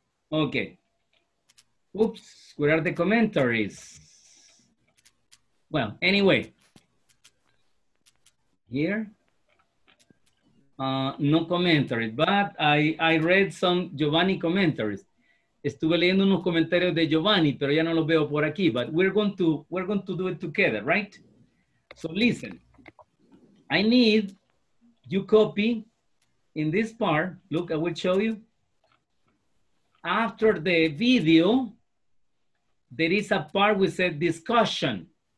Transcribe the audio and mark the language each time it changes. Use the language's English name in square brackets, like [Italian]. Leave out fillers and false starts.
[English] Okay. Oops, where are the commentaries? Well, anyway. Here. No commentaries, but I read some Giovanni commentaries. [Spanish] Estuve leyendo unos comentarios de Giovanni, pero ya no los veo por aquí. [English] But we're going to do it together, right? So listen. I need you copy in this part. Look, I will show you. After the video, there is a part we said discussion.